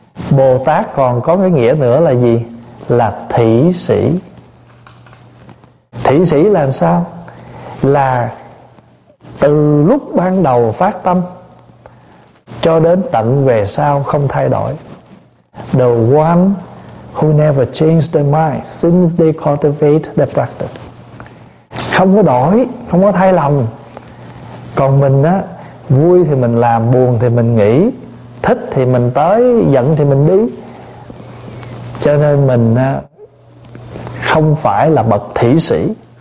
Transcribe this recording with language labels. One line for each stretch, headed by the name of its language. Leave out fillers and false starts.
Vietnamese: Bồ Tát còn có cái nghĩa nữa là gì? Là thị sĩ. Thị sĩ là sao? Là từ lúc ban đầu phát tâm cho đến tận về sau không thay đổi.
English: The one who never changed their mind since they cultivate the practice.
Vietnamese: Không có đổi, không có thay lòng. Còn mình á, vui thì mình làm, buồn thì mình nghĩ, thích thì mình tới, giận thì mình đi. Cho nên mình á, không phải là bậc thị sĩ.